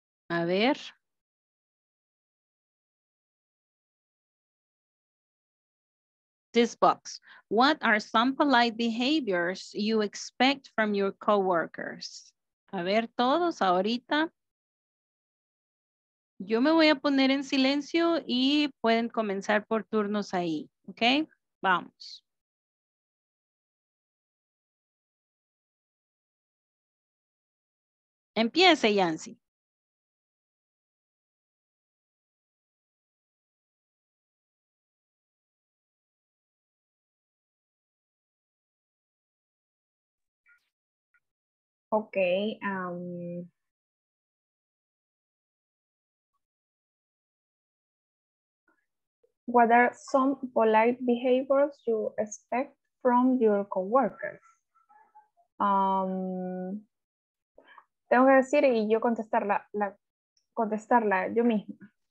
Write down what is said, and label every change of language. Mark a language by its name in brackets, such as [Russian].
[Spanish] A ver. [English] This box. What are some polite behaviors you expect from your coworkers? [Spanish] A ver, todos ahorita. Yo me voy a poner en silencio y pueden comenzar por turnos ahí. Okay, vamos. Empiece, Yancy. [English] Okay, what are some polite behaviors you expect from your coworkers? [Spanish] Tengo que decir y yo contestarla, contestarla yo misma.